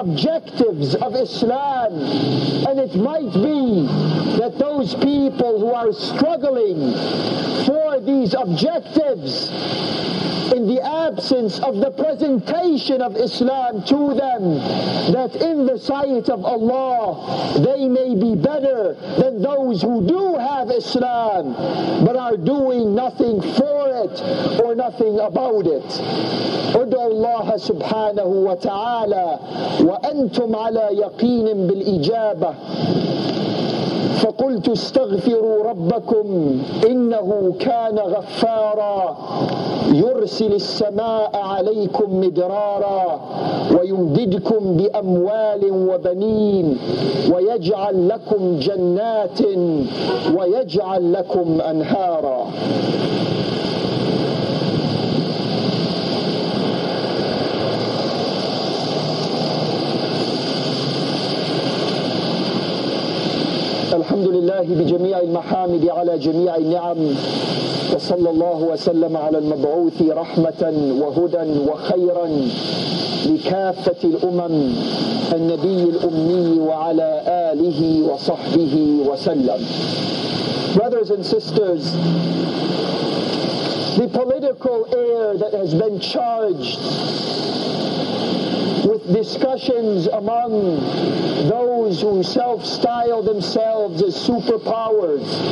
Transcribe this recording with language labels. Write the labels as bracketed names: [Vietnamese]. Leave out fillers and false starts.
[English] objectives of Islam, and it might be that those people who are struggling for these objectives, in the absence of the presentation of Islam to them, that in the sight of Allah, they may be better than those who do have Islam, but are doing nothing for it or nothing about it. [Arabic] أدعو الله سبحانه وتعالى وأنتم على يقين بالإجابة فقلت استغفروا ربكم إنه كان غفارا يرسل السماء عليكم مدرارا ويمددكم بأموال وبنين ويجعل لكم جنات ويجعل لكم أنهارا. الحمد لله بجميع المحامد على جميع النعم، وصلى الله وسلم على المبعوث رحمة وهدى وخيرا لكافة الأمم النبي الأمي وعلى آله وصحبه وسلم. [English] Brothers and sisters, the political air that has been charged with discussions among those who self-style themselves as superpowers.